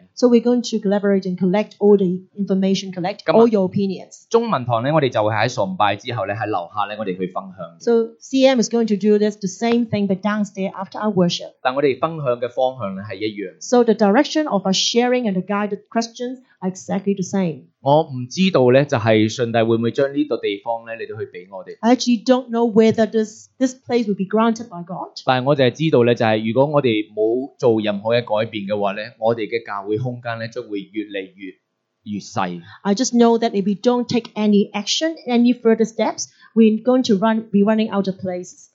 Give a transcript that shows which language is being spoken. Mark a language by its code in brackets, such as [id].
[en] So we're going to collaborate and collect all the information, collect all your opinions. [yue] 中文堂咧，我哋就会喺崇拜之后咧，喺楼下咧，我哋去分享。 [en] So CM is going to do this the same thing, but downstairs after our worship. [yue] 但我哋分享嘅方向咧系一样。 [en] So the direction of our sharing and the guided questions are exactly the same. [yue] 我唔知道咧，就系上帝会唔会将呢度地方咧嚟到去俾我哋。 [en] I actually don't know whether this place will be granted by God. [yue] 但系我就系知道咧，就系如果我哋冇做任何嘅改变嘅话咧，我哋嘅教会空间咧将会越嚟越细。 [en] I just know that if we don't take any action, any further steps, we're going to be running out of place.